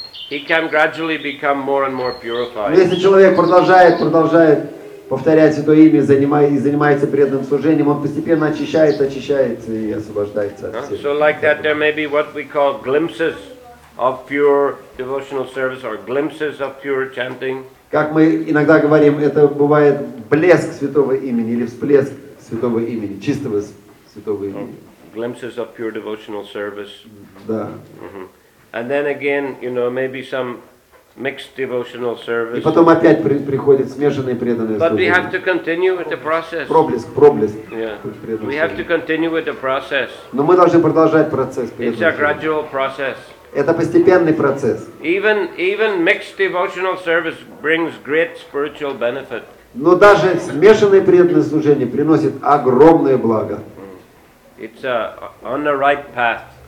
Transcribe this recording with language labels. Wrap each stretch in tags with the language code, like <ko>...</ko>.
<en>He can gradually become more and more purified.</en> <ru>Если человек продолжает повторять это имя, занимается преданным служением, он постепенно очищается и освобождается от всех.</ru> <en>So like that there may be what we call glimpses of pure devotional service or glimpses of pure chanting.</en> <ru>Как мы иногда говорим, это бывает блеск святого имени или всплеск святого имени, чистого святого имени.</ru> <en>Glimpses of pure devotional service.</en> <ru>Да.</ru> <en>And then again, you know, maybe some mixed devotional service.</en> <ru>И потом опять приходит смешанные преданные служения.</ru> <en>But we have to continue with the process.</en> <ru>Проблеск.</ru> <en>Yeah. We have to continue with the process.</en> <ru>Но мы должны продолжать процесс.</ru> <en>It's a gradual process.</en> <ru>Это постепенный процесс.</ru> <en>Even mixed devotional service brings great spiritual benefit.</en> <ru>Но даже смешанные преданные служения приносят огромное благо.</ru> <en>It's on the right path.</en>